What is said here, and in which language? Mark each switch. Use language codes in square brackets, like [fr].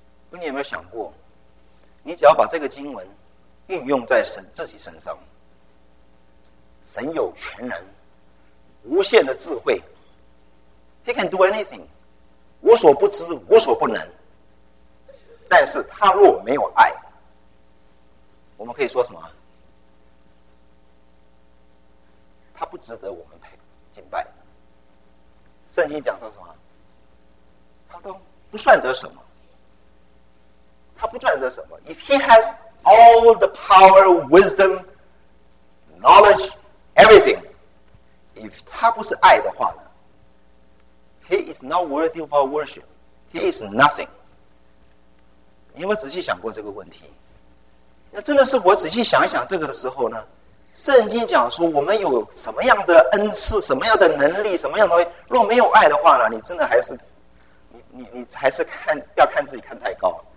[zh] 不，你有没有想过，你只要把这个经文运用在神自己身上，神有全能无限的智慧， [en] He can do anything， [zh] 无所不知无所不能，但是他若没有爱，我们可以说什么？他不值得我们敬拜。圣经讲到什么？他说不算得什么，他不算得什么。 [en] If he has all the power, wisdom, knowledge, everything, if [zh] 他不是爱的话呢， [en] He is not worthy of our worship. He is nothing. [zh] 你有没有仔细想过这个问题？那真的是我仔细想一想这个的时候呢，圣经讲说我们有什么样的恩赐，什么样的能力，什么样的东西，若没有爱的话呢，你真的还是你还是看，不要看自己看太高。